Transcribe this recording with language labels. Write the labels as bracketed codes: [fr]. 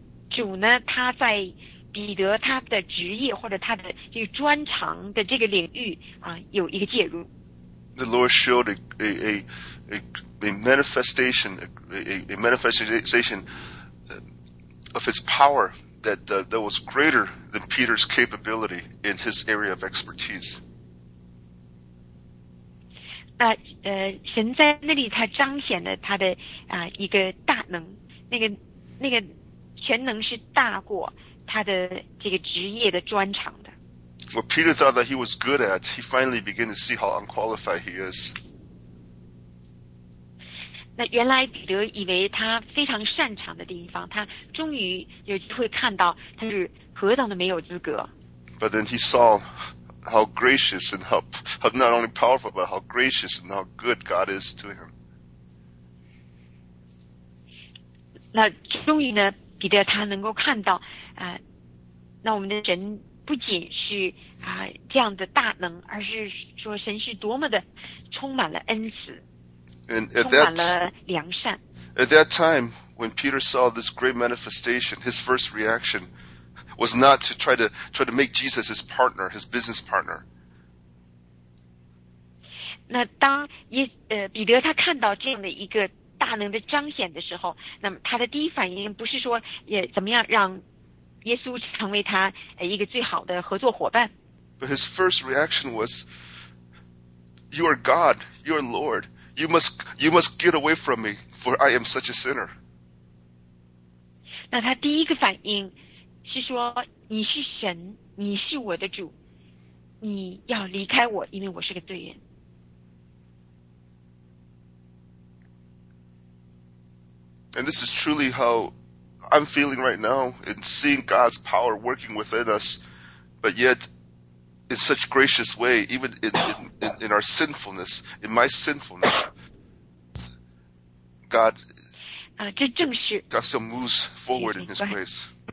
[zh] 主呢，他在彼得他的职业或者他的这个专长的这个领域有一个介入。 [en] The Lord showed a manifestation of His power that was greater than Peter's capability in his area of expertise. [zh] 神在那里他彰显了他的一个大能，那个全能是大过他的这个职业的专长的。 [en] What Peter thought that he was good at, he finally began to see how unqualified he is. [zh] 那原来彼得以为他非常擅长的地方，他终于有机会看到他是何等的没有资格。 [en] But then he saw how gracious and how not only powerful, but how gracious and how good God is to him. [zh] 那终于呢？彼得他能够看到那我们的神不仅是这样的大能，而是说神是多么的充满了恩慈，充满了良善。 [en] At that time, when Peter saw this great manifestation, his first reaction was not to try to make Jesus his partner, his business partner. [zh] 那当彼得他看到这样的一个大能的彰显的时候，那么他的第一反应不是说也怎么样让耶稣成为他一个最好的合作伙伴。 [en] But his first reaction was, "You are God, you are Lord. You must get away from me, for I am such a sinner." [zh] 那他第一个反应是说，你是神，你是我的主，你要离开我，因为我是个罪人。 [en] And this is truly how I'm feeling right now in seeing God's power working within us, but yet in such gracious way, even in our sinfulness, in my sinfulness, God still moves forward in His grace.